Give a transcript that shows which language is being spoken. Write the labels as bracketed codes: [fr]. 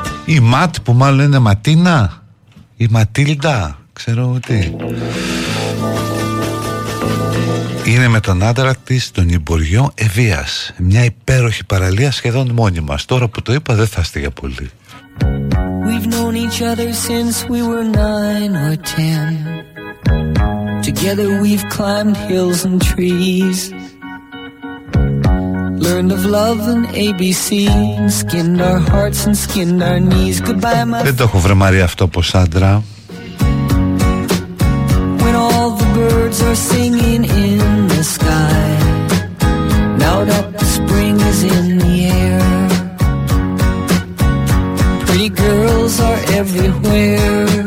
[el] Η Ματ που μάλλον είναι Ματίνα, η Ματίλντα, ξέρω τι. Είναι με τον άντρα της τον Υπουργείο Ευβοίας. Μια υπέροχη παραλία σχεδόν μόνη μας. Τώρα που το είπα δεν θα στείλω πολύ. [en] We've known each other since we were 9 or 10. Together we've climbed hills and trees. Learned of love and ABC. Skinned our hearts and skinned our knees. Goodbye, my. [el] Δεν το έχω βρε Μαρία αυτό από Σάντρα. [en] When all the birds are singing in the sky. Now that the spring is in the air. Pretty girls are everywhere.